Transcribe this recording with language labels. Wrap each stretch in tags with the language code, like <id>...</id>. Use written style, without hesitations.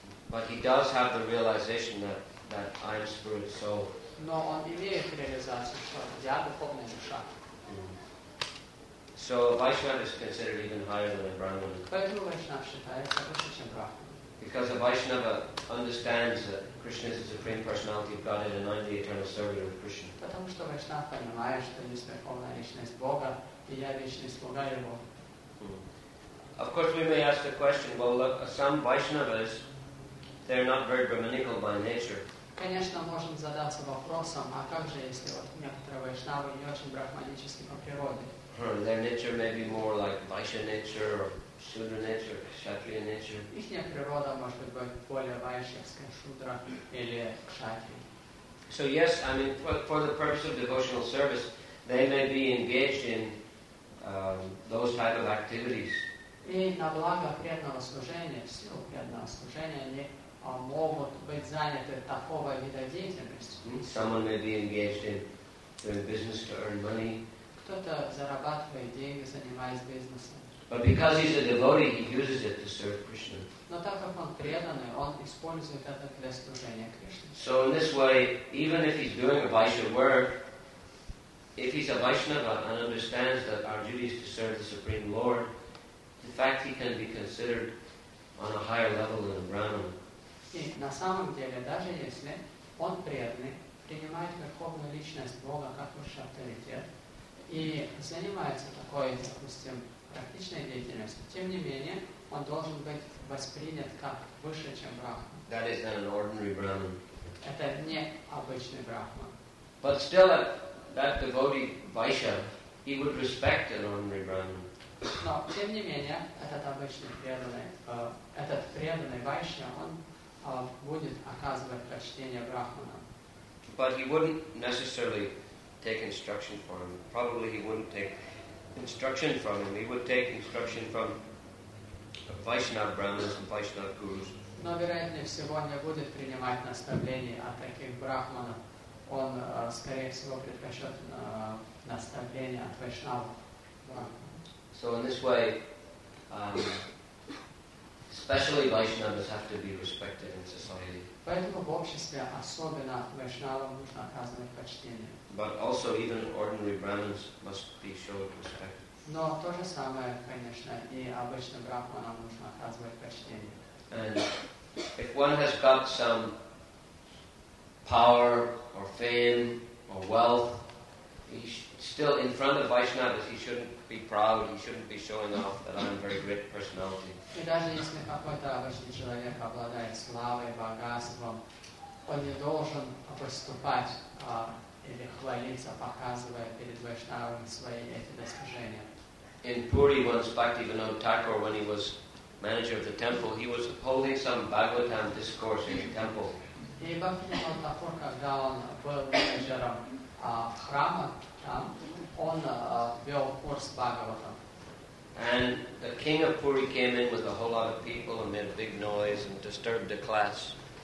<en>But he does have the realization that I am spirit soul.</en> <ru>Но он имеет реализацию, что я духовная душа.</ru> <en>So Vaishnava is considered even higher than a Brahmana.</en> <ru>Поэтому Вайшнав считается выше, чем Брахман.</ru> <en>Because a Vaishnava understands that Krishna is the Supreme Personality of Godhead and I'm the eternal servant of Krishna.</en> <ru>Потому что Вайшнав понимает, что есть верховная личность Бога, и я личность слуга Его.</ru> <en>Of course we may ask the question, well look, some Vaishnavas, they're not very brahminical by nature.</en> <ru>Конечно, можем задаться вопросом, а как же, если вот некоторые вайшнавы не очень брахманические по природе?</ru> <en>Their nature may be more like Vaishya nature, or Shudra nature, Kshatriya nature.</en> <ru>Их природа может быть более вайшевская, Шудра или Кшатрия.</ru> <en>So yes, I mean, for the purpose of devotional service, they may be engaged in those type of activities.</en> <ru>И на благо преданного служения, в силу преданного служения, они могут быть заняты такого вида деятельности.</ru> <en>Someone may be engaged in doing business to earn money.</en> <ru>Кто-то зарабатывает деньги, занимаясь бизнесом.</ru> <en>But because he's a devotee, he uses it to serve Krishna.</en> <ru>Но так как он преданный, он использует это для служения Кришне.</ru> <en>So in this way, even if he's doing a Vaishya work, if he's a Vaishnava and understands that our duty is to serve the Supreme Lord, in fact he can be considered on a higher level than a Brahmana.</en> <ru>И на самом деле, даже если он преданный, принимает верховную личность Бога как высший авторитет и занимается такой, допустим, практичной деятельностью, тем не менее, он должен быть воспринят как выше, чем Брахман.</ru> <en>That is an ordinary Brahman.</en> <ru>Это не обычный Брахман.</ru> <en>But still, that devotee Vaishya, he would respect an ordinary Brahman.</en> <ru>Но, тем не менее, этот обычный преданный, этот преданный Вайшья, он будет оказывать почтение Брахманам.</ru> <en>But he wouldn't necessarily take instruction from him. Probably he wouldn't take instruction from him. He would take instruction from Vaishnava Brahmins and Vaishnava Gurus.</en> <ru>Но вероятнее всего не будет принимать наставления от таких брахманов. Он, скорее всего, предпочтет наставления от Вайшнав.</ru> <en>So in this way, especially Vaishnavas have to be respected in society.</en> <ru>Поэтому в обществе особенно Вайшнавам нужно оказывать почтение.</ru> <en>But also even ordinary Brahmins must be showed respect.</en> <ru>Но то же самое, конечно, и обычным брахманам нужно оказывать почтение.</ru> <en>And if one has got some power or fame or wealth, still in front of Vaishnavas, he shouldn't be proud, he shouldn't be showing off that I'm a very great personality.</en> <ru>И даже если какой-то обычный человек обладает славой, богатством, он не должен поступать или хвалиться, показывая перед Вайшнавами свои эти достижения.</ru> <en>In Puri once, Bhaktivinoda Thakur, when he was manager of the temple, he was holding some Bhagavatam discourse in the temple. And the king of Puri came in with a whole lot of people and made a big noise and disturbed the class.</en>